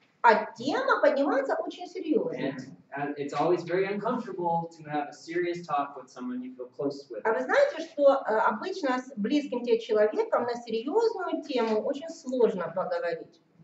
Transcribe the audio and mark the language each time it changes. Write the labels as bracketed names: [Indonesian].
[Russian] А тема поднимается очень серьезно. [English] And it's always very uncomfortable to have a serious talk with someone you feel close with. [Russian] А вы знаете, что обычно с близким тебе человеком на серьезную тему очень сложно поговорить.